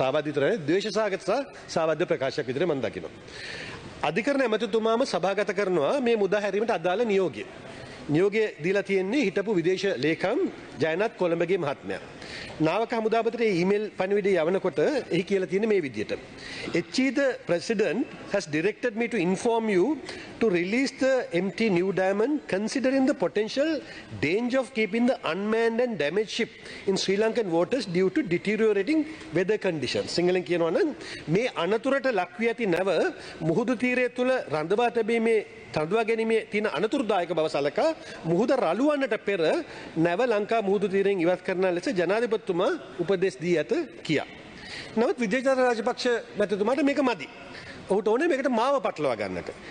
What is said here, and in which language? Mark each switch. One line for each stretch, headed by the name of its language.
Sinhala: සාවද්‍ය තරනේ ද්වේෂසහගත සාවද්‍ය ප්‍රකාශයක් විදිහට මම දකිනවා. අධිකරණ ඇමතිතුමාම සභාගත කරනවා මේ මුදාහැරීමට අදාළ නියෝගය. නියෝගය දීලා තියෙන්නේ හිටපු විදේශ ලේකම් ජයනත් කොළඹගේ මහත්මයා. නාවක හමුදාපතිට ඊමේල් පණිවිඩය යවනකොට එහි කියලා තියෙන්නේ මේ විදිහට.
English: HE'd president has directed me to inform you to release the empty new diamond considering the potential danger of keeping the unmanned and damaged ship in Sri Lankan waters due to deteriorating weather conditions.
Sinhala: සිංහලෙන් කියනවා නම් මේ අනතුරට ලක් වී ඇති නැව මුහුදු තීරය තුළ රඳවා තිබීමේ තනතුරුවා ගැනීමේ තියෙන අනතුරුදායක බව සලකා මුහුද රළුවන්නට පෙර නැව ලංකා මුහුදු තීරයෙන් ඉවත් කරන ලෙස ජනාධිපතිතුමා උපදෙස් දී ඇත කියා. නමුත් විජේදාස රාජපක්ෂ මැතිතුමාට මේක මදි. ඔහුට ඕනේ මේකට මාව පටලවා ගන්නට.